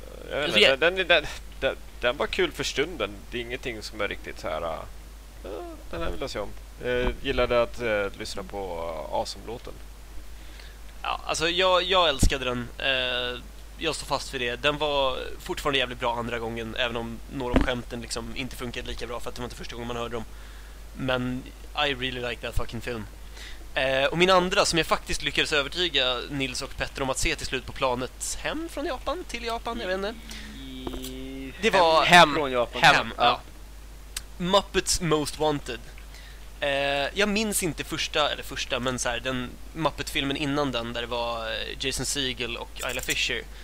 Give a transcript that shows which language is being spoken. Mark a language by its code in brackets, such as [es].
[sv] Jag vet inte, den var kul för stunden. Det är ingenting som är riktigt här. Den här vill jag se om. Gillade att lyssna på Awesome-låten. Ja, alltså jag älskade den. Jag står fast för det. Den var fortfarande jävligt bra andra gången, även om några av skämten liksom inte funkade lika bra, för att det var inte första gången man hörde dem. Men [en] I really like that fucking film. [sv] Och min andra, som jag faktiskt lyckades övertyga Nils och Petter om att se till slut på planet hem från Japan till Japan, jag vet inte. Det var hem från Japan. Hem. Ja. Muppets Most Wanted. Jag minns inte första, men så här, den Muppet-filmen innan den, där det var Jason Segel och Isla Fisher.